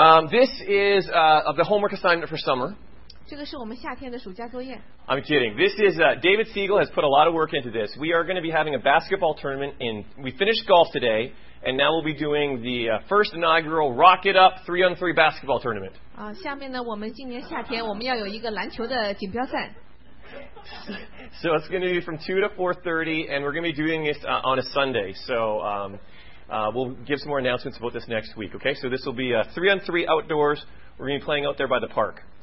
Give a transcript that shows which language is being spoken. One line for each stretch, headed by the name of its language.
English: This is of the homework assignment for summer. I'm kidding. This is David Siegel has put a lot of work into this. We are going to be having a basketball tournament. We finished golf today, and now we'll be doing the first inaugural Rock It Up 3-on-3 basketball tournament.
Chinese: 下面呢，我们今年夏天我们要有一个篮球的锦标赛。
English: So it's going to be from 2 to 4:30, and we're going to be doing this on a Sunday. So we'll give some more announcements about this next week, okay? So this will be a 3-on-3 outdoors. We're going to be playing out there by the park.